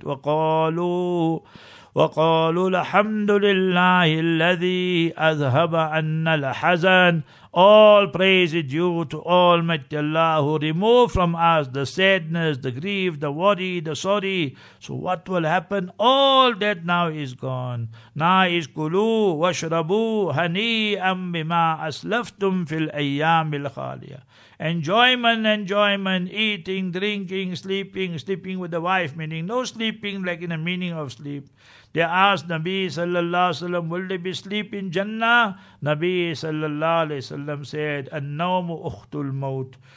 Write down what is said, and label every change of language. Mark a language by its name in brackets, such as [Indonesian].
[Arabic] وَقَالُوا الْحَمْدُ لِلَّهِ الَّذِي أَذْهَبَ عَنَّا الْحَزَنَ. [English] All praise is due to Almighty Allah who removed from us the sadness, the grief, the worry, the sorry. So what will happen? All that now is gone. Now is [Arabic] كُلُوا وَشْرَبُوا هَنِيئًا بِمَا أَسْلَفْتُمْ فِي الْأَيَّامِ الْخَالِيَةِ. [English] Enjoyment, enjoyment, eating, drinking, sleeping, sleeping with the wife, meaning no sleeping like in the meaning of sleep. They asked Nabi sallallahu alayhi wa sallam, will they be sleep in Jannah? Nabi sallallahu alayhi wa sallam said, [Arabic] An-nawmu ukhtul maut.